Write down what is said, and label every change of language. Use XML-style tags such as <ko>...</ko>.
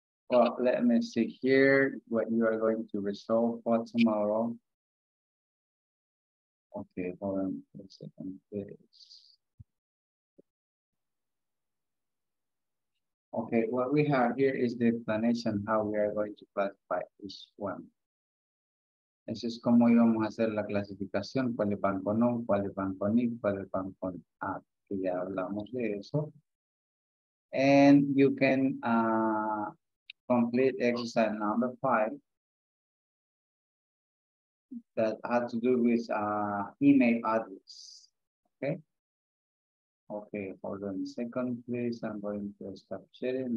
<en>Well, let me see here what you are going to resolve for tomorrow. Okay, hold on a second, please. Okay, what we have here is the explanation how we are going to classify each one.</en> <es>Eso es como íbamos a hacer la clasificación, cuál es van con on, cuál es van con it, cuál es van con at. Que ya hablamos de eso.</es> <en>And you can complete exercise number 5 that had to do with email address. Okay. Okay, hold on a second, please. I'm going to stop sharing.</en>